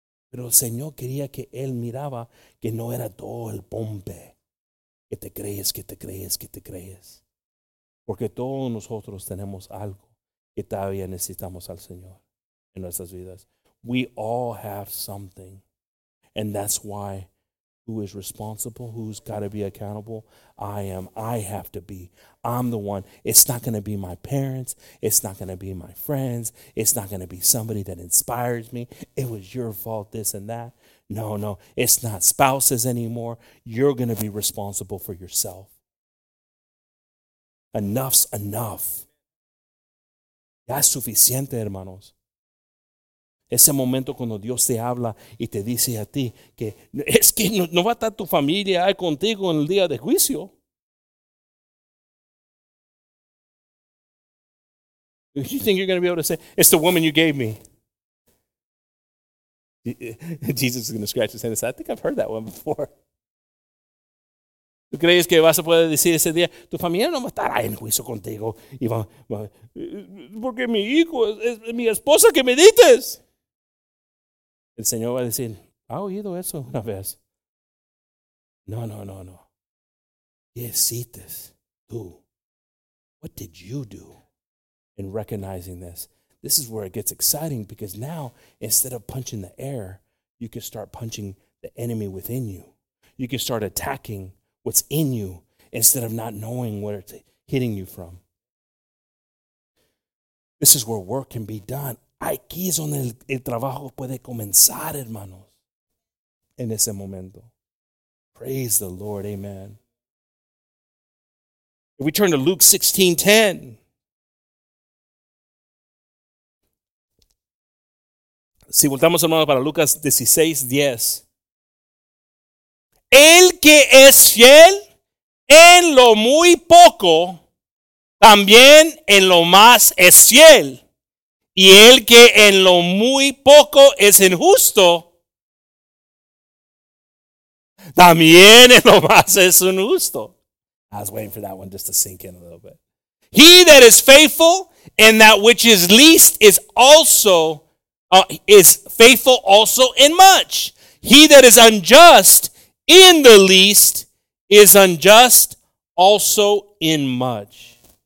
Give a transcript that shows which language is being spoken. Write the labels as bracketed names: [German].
[Spanish] Pero el Señor quería que él miraba que no era todo el pompe. Que te crees. Porque todos nosotros tenemos algo que todavía necesitamos al Señor en nuestras vidas. [English] We all have something. And that's why who is responsible, who's got to be accountable? I am. I have to be. I'm the one. It's not going to be my parents. It's not going to be my friends. It's not going to be somebody that inspires me. It was your fault, this and that. No. It's not spouses anymore. You're going to be responsible for yourself. Enough's enough. [Spanish] Ya es suficiente, hermanos. Ese momento cuando Dios te habla y te dice a ti que es que no va a estar tu familia ahí contigo en el día de juicio. [English] You think you're going to be able to say, it's the woman you gave me. Jesus is going to scratch his head and say, I think I've heard that one before. [Spanish] ¿Tú crees que vas a poder decir ese día, tu familia no va a estar ahí en juicio contigo? Y va, porque mi hijo es mi esposa que me dices. El Señor va a decir, ¿ha oído eso una vez? No. ¿Qué hiciste tú? [English] What did you do in recognizing this? this is where it gets exciting, because now instead of punching the air, you can start punching the enemy within you. You can start attacking what's in you instead of not knowing where it's hitting you from. This is where work can be done. [Spanish] Aquí es donde el trabajo puede comenzar, hermanos. En ese momento. [English] Praise the Lord. [Spanish] Amen. [English] If we turn to Luke 16:10. [Spanish] Si voltamos, hermanos, para Lucas 16:10. El que es fiel en lo muy poco, también en lo más es fiel. Y el que en lo muy poco es injusto, también en lo más es injusto. [English] I was waiting for that one just to sink in a little bit. He that is faithful in that which is least is also is faithful also in much. He that is unjust in the least is unjust also in much.